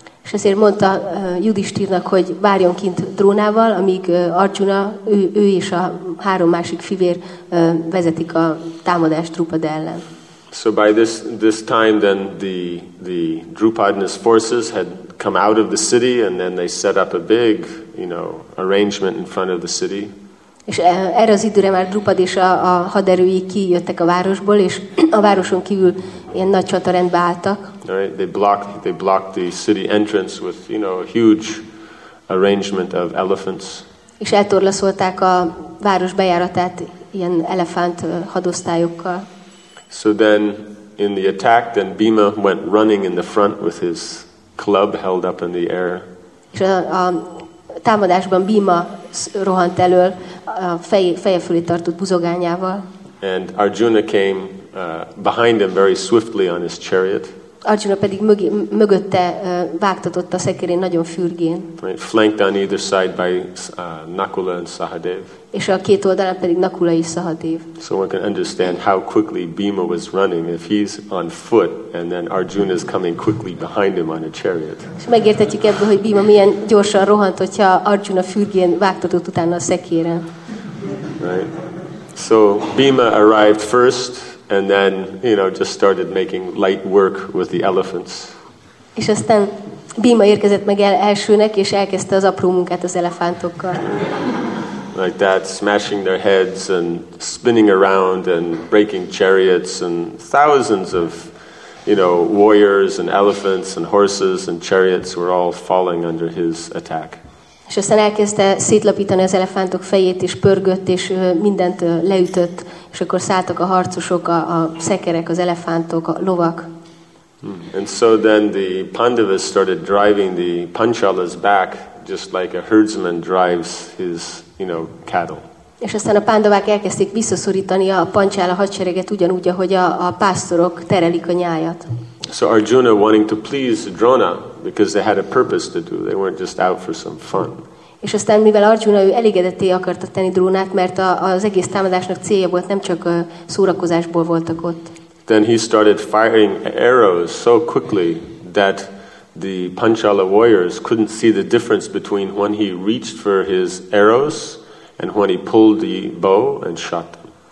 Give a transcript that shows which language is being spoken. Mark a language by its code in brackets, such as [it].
[hu] És ezért mondta Yudhishthirnak, hogy várjon kint Drónával, amíg Arjuna, ő és a három másik fivér vezetik a támadást Drupad ellen. [en] So by this time then the Drupad and his forces had come out of the city, and then they set up a big, you know, arrangement in front of the city. [hu] És erre az időre már Drupad és a haderői kijöttek a városból, és a városon kívül ilyen nagy csatarendbe álltak. [en] Right, they blocked the city entrance with, you know, a huge arrangement of elephants. [hu] És eltorlaszolták a város bejáratát ilyen elefánt hadosztályokkal. [en] So then in the attack, then Bhima went running in the front with his club held up in the air. [hu] És a támadásban Bhima rohant elől a feje fölé tartott buzogányával. [en] And Arjuna came behind him very swiftly on his chariot. [hu] Arjuna pedig mögötte vágtatott a szekérén nagyon fürgén. [en] Right, flanked on either side by Nakula and Sahadev. [hu] És a két oldalán pedig Nakula és Sahadev. [en] So one can understand how quickly Bhima was running if he's on foot and then Arjuna is coming quickly behind him on a chariot. [hu] És megértetjük ebből, hogy Bhima milyen gyorsan rohant, hogyha Arjuna fürgén vágtatott utána a szekéren. [en] Right. So Bhima arrived first. And then, you know, just started making light work with the elephants. [hu] És aztán Bhima érkezett meg elsőnek, és elkezdte az apró munkát az elefántokkal. [en] Like that, smashing their heads and spinning around and breaking chariots and thousands of, you know, warriors and elephants and horses and chariots were all falling under his attack. [hu] És aztán elkezdte szétlapítani az elefántok fejét, és pörgött, és mindent leütött, és akkor szálltak a harcosok, a szekerek, az elefántok, a lovak. [en] And so then the Pandavas started driving the Panchalas back, just like a herdsman drives his, you know, cattle. [hu] És aztán a Pandavák elkezdték visszaszorítani a Panchala hadsereget ugyanúgy, ahogy a pásztorok terelik a nyájat. [en] So Arjuna wanting to please Drona, because they had a purpose to do. They weren't just out for some fun. [hu] És aztán mivel Arjuna ő elégedetté akarta tenni Drónát, mert az egész támadásnak célja volt, nem csak szórakozásból voltak ott. [en] Then he started firing arrows so quickly that the Panchala warriors couldn't see the difference between when he reached for his arrows and when he pulled the bow and shot them.